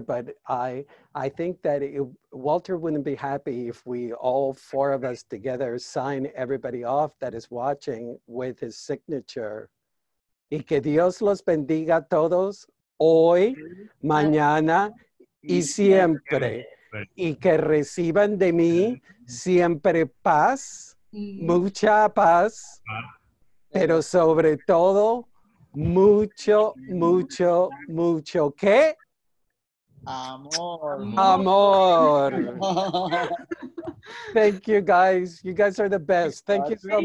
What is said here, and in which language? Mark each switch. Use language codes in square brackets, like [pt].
[en] But I think that Walter wouldn't be happy if we all four of us together sign everybody off that is watching with his signature. [es] Y que Dios los bendiga a todos hoy, mañana y siempre. Y que reciban de mí siempre paz, mucha paz, pero sobre todo mucho, mucho, mucho, ¿qué? Amor. Amor. [en] Thank you, guys. You guys are the best. Thank you so much.